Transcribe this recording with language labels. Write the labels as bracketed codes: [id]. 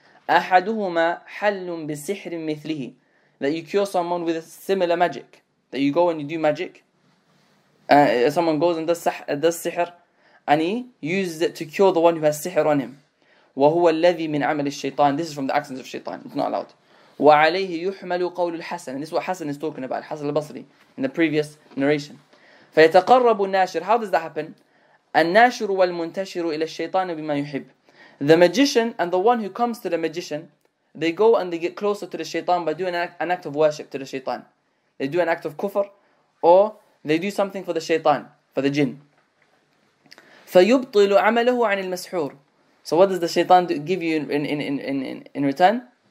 [ar] أحدهما حل بسحر مثله [en] that you cure someone with a similar magic that you go and you do magic someone goes and does sihr and he uses it to cure the one who has sihr on him [ar] وهو الذي من عمل الشيطان [en] this is from the actions of shaitan it's not allowed [ar] وعليه يحمل قول الحسن. [en] And this is what Hassan is talking about, Hassan al-Basri, in the previous narration. [ar] فيتقرب الناشر. [en] How does that happen? [ar] الناشر والمنتشر إلى الشيطان بما يحب. [en] The magician and the one who comes to the magician, they go and they get closer to the shaitan by doing an act of worship to the shaitan. They do an act of kufr, or they do something for the shaitan, for the jinn. [ar] فيبطل عمله عن المسحور. [en] So what does the shaitan do, give you in return?